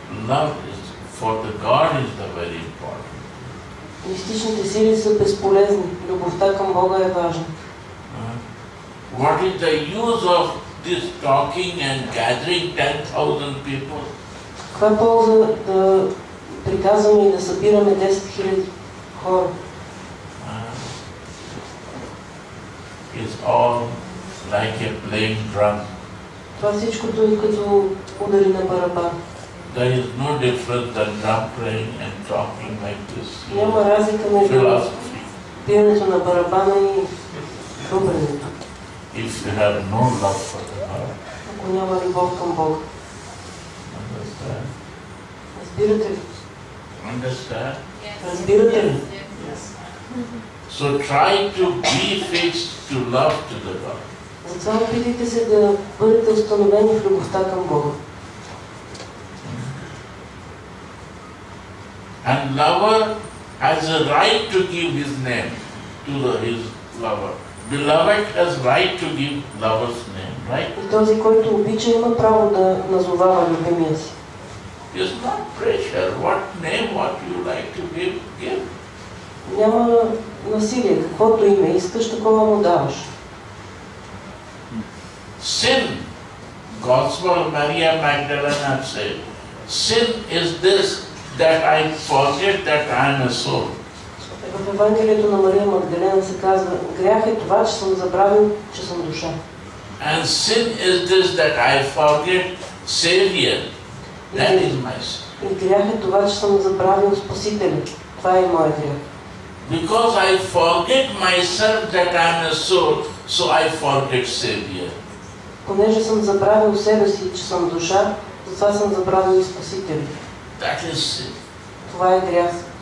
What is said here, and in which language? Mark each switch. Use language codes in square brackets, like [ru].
[en] Love is for the God is the very important. [bg] Мистичните сили са безполезни. Любовта към Бога е важна. [en] What is the use of this talking and gathering 10,000 people? [bg] Каква е полза да приказваме и да събираме 10 000 хора? [en] It's all like a playing drum. [bg] Това всичкото е като удари на барабан. [en] There is no difference than drum playing and talking like this. [bg] Няма разлика между пиенето на барабана и хрумбрането. [en] If you have no love for the Lord. [bg] Ако няма любов към Бога. [en] Understand? [bg] Разбирате ли? [en] Understand? [bg] Разбирате ли? [en] Yes. So try to be fixed to love to the Lord. [bg] Затова опитайте се да бъдете установени в любовта към Бога. [en] And lover has a right to give his name to his lover. Beloved has right to give lover's name, right? [bg] И този, който обича, има право да назовава любимия си. [en] It's not pressure. What name, what you like to give, give. [bg] Няма насилие. Каквото име искаш, такова му даваш. [en] Sin, Gospel of Maria Magdalena said, sin is this, that I forget that I am a soul. [bg] В Евангелието на Мария Магдалена се казва, грях е това, че съм забравил, че съм душа. [en] And sin is this that I forget Savior. That is my sin. [bg] И грях е това, че съм забравил Спасителя. Това е моя грях. [en] Because I forget myself that I am a soul, so I forget Savior. [bg] Понеже съм забравил себе си, че съм душа, затова съм забравил и Спасителя. [en] That is sin. [bg] Това е грях.